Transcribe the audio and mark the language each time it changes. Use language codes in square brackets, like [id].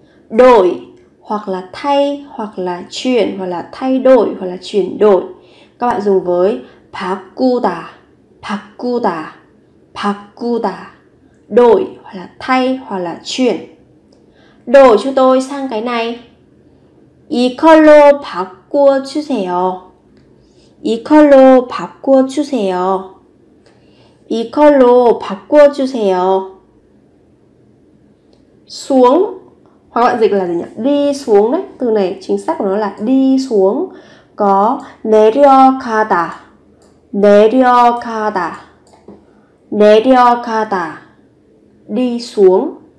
[vi] Đổi hoặc là thay, hoặc là chuyển, hoặc là thay đổi, hoặc là chuyển đổi, các bạn dùng với [ko] 바꾸다, 바꾸다, 바꾸다, [vi] đổi hoặc là thay hoặc là chuyển. Đổi cho tôi sang cái này, [ko] 이걸로 바꿔 주세요, 이걸로 바꿔 주세요, 이걸로 바꿔 주세요. [vi] Xuống, hoặc bạn dịch là gì nhỉ? Đi xuống đấy, từ này chính xác của nó là đi xuống. Có [ko] 내려가다, 내려가다, 내려가다, [vi] đi xuống.